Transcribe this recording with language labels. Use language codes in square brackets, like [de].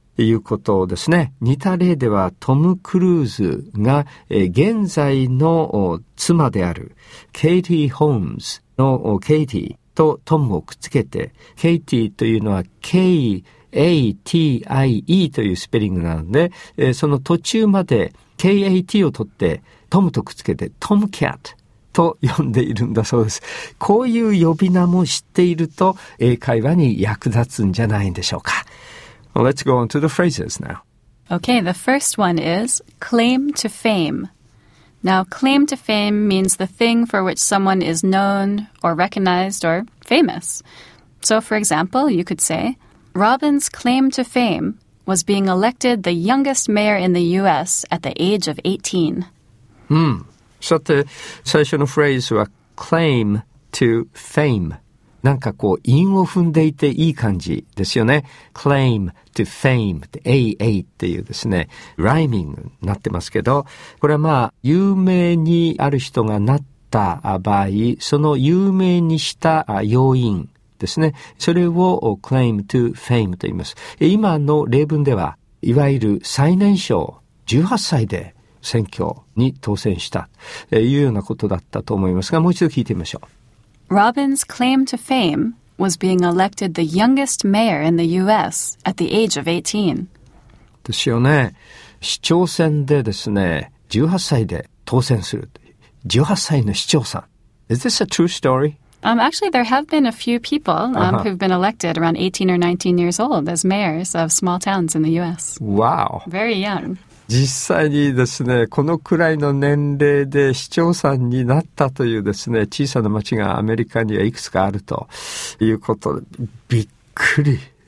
[ja] いうことですね。似た例ではトム・クルーズが現在の妻であるケイティ・ホームズのケイティとトムをくっつけて、ケイティというのは K-A-T-I-E というスペリングなので、その途中まで K-A-T を取ってトムとくっつけてトム・キャットと呼んでいるんだそうです。こういう呼び名も知っていると英会話に役立つんじゃないんでしょうか。 [en] Let's go on to the phrases now. Okay, the first one is claim to fame. Now, claim to fame means the thing for which someone is known or recognized or famous. So, for example, you could say, Robin's claim to fame was being elected the youngest mayor in the U.S. at the age of 18. [ja] さて、最初のフレーズは claim to fame. なんかこう韻を踏んでいていい感じですよね。 claim to fame AA っていうですね、ライミングになってますけど、これはまあ有名にある人がなった場合、その有名にした要因ですね、それを claim to fame と言います。今の例文では、いわゆる最年少18歳で選挙に当選したというようなことだったと思いますが、もう一度聞いてみましょう。 [en] Robin's claim to fame was being elected the youngest mayor in the U.S. at the age of 18. [ja] ですよね。市長選でですね、18歳で当選する。18歳の市長さん。 [en] Is this a true story? Actually, there have been a few people who've been elected around 18 or 19 years old as mayors of small towns in the U.S. Wow. Very young. [ja] 実際にですね、このくらいの年齢で市長さんになったというですね、小さな町がアメリカにはいくつかあるということで、びっくり。